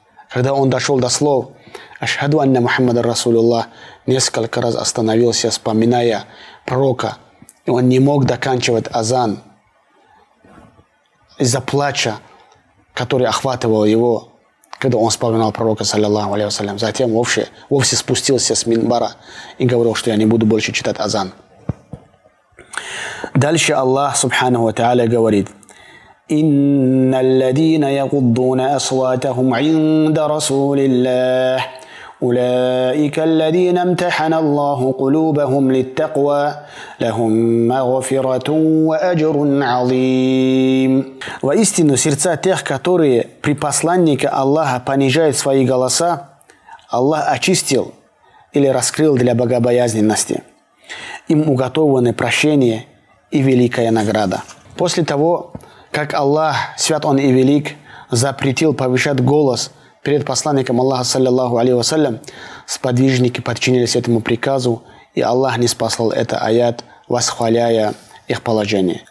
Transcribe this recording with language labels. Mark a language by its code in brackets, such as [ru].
[ru] Когда он дошел до слов «Ашхаду анна Мухаммада Расулуллах», несколько раз остановился, вспоминая пророка. И он не мог доканчивать азан из-за плача, который охватывал его, когда он вспоминал пророка, саллиллаху алейхи вассалям. Затем вовсе спустился с минбара и говорил, что я не буду больше читать азан. Дальше Аллах субханаху ва тааля говорит: [ar] إن الذين يغضون أصواتهم عند رسول الله أولئك الذين امتحن الله قلوبهم للتقوى لهم مغفرة وأجر عظيم. [ru] Воистину, сердца тех, которые при посланнике Аллаха понижают свои голоса, Аллах очистил или раскрыл для богобоязненности. Им уготовлены прощение и великая награда. После того как Аллах, свят Он и велик, запретил повышать голос перед посланником Аллаха, саллиллаху алейхи вассалям, сподвижники подчинились этому приказу, и Аллах ниспослал это аят, восхваляя их положение.